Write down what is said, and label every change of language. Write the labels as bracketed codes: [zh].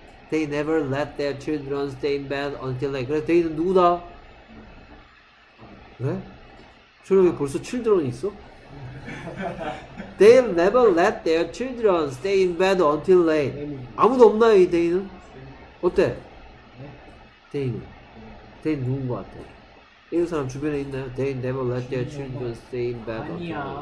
[en] They never let their children stay in bed until late. [ko] 그래서 they는 누구다? 그래? 초록이 벌써 children이 있어? [en] They never let their children stay in bed until late. [ko] 아무도 없나요, 이 데이는? 어때? 데이는? 데이 누군 것 같아? 이런 사람 주변에 있나요? [en] They never let their children stay in bed until late.